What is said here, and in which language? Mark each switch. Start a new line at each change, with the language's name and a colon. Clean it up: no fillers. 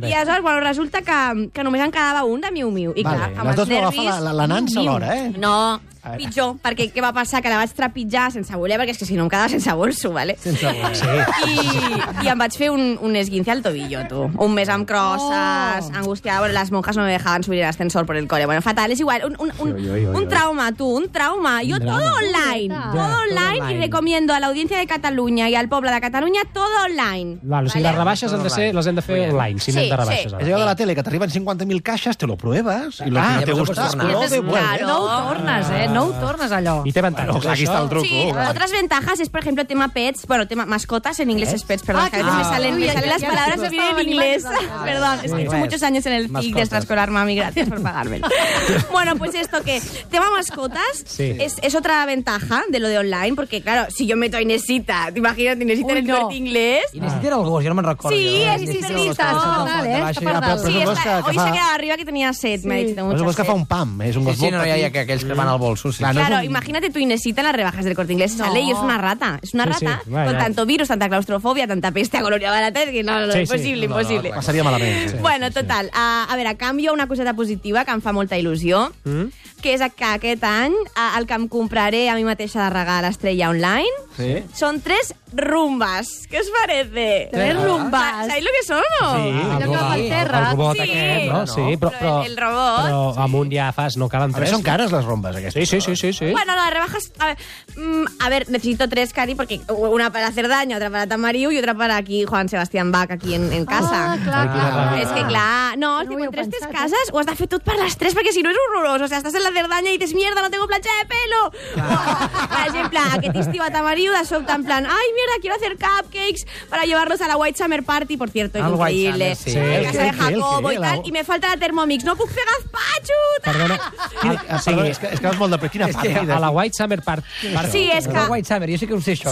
Catalan: I aleshores, bueno, resulta que només en quedava un de Miu Miu. I clar, amb els nervis... Les dues m'agafa la nansa alhora, eh? No... pitjor, perquè què va passar? Que la vaig trepitjar sense voler, perquè és que si no em quedava sense bolso, vale? Sense voler. Sí. I em vaig fer un esguince al tobillo, tu. Un mes amb crosses, oh, angustiada.
Spanish: Bueno, les monjas no me dejaban subir el ascensor por el cole.
Catalan: Bueno, fatal, és igual. Un trauma, tu, un trauma.
Spanish: Jo todo online. Ja, todo online. I recomiendo a la audiencia de Catalunya
Catalan: i al poble de Catalunya
Spanish: todo online.
Catalan: Vale, o sigui, les rebaixes han de ser, les hem de fer online, si n'hem de rebaixes.
Spanish: Sí, sí.
Catalan: És allò de la tele, que t'arriben 50.000 caixes,
Spanish: te lo proves, i la que no te gusta es clove, bueno.
Catalan: No ho tornes, no ho tornes, allò. I té ventajas, bueno, aquí està el truco. Sí, vale.
Spanish: Otras ventajas es, por ejemplo, tema pets, bueno, tema mascotas, en inglés es pets, perdón, que me salen las palabras que vienen en inglés. Perdón, es que muchos años en el CIC de extraescolar, mami, gracias por pagármelo. Bueno, pues esto que, tema mascotas, es otra ventaja de lo de online, porque claro, si yo meto a Inesita, te imaginas, Inesita en el corte inglés.
Catalan: Inesita era el gos, yo no me'n recordo. Sí, Inesita.
Spanish: Sí, hoy se queda arriba que tenía set, me ha dicho mucho.
Catalan: Es un gos que fa un pam, es un gos molt petit. Sí, no hi ha aquells que van al bolso.
Spanish: Claro, imagínate tu Inesita en las rebajas del corte inglés, sale y es una rata, con tanto virus, tanta claustrofobia, tanta peste acolorida barata, que no, imposible, imposible.
Catalan: Passaria malament. Bueno, total, a veure, canvio una coseta positiva que em fa molta il·lusió, que és que aquest any el que em compraré a mi mateixa de regal a l'Estrella Online són tres rumbas.
Spanish: ¿Qué os parece? Tres rumbas. ¿Sabéis lo que son o no?
Catalan: Sí, el robot aquest, no? Sí, però el robot. Però amunt ja fas, no calen tres. A més, són cares les rumbas aquestes. Sí. Bueno, les rebajas...
Spanish: A ver, necesito tres, Cari, porque una para hacer daño, otra para Tamariu y otra para aquí Juan Sebastián Bach, aquí en casa.
Catalan: Ah, clar. Es que, clar... No, no tipo, entre tres cases ho has de fer tot per les tres, perquè si no és horrorós. O sea, estàs en la Cerdanya i
Spanish: dices, mierda, no tengo plancha de pelo.
Catalan: Per exemple, aquest estiu a Tamariu, de sobte,
Spanish: en plan, ay, mierda, quiero hacer cupcakes para llevarlos a la White Summer Party, por cierto, increíble. White Summer, sí. En casa de Jacobo y tal, y me falta la Thermomix.
Catalan: No puc fer gazpacho, tal. Perdona, és que vas molt de pre... Quina partida. A la White Summer Party. Sí, és que... La White Summer, jo sé que ho sé, això.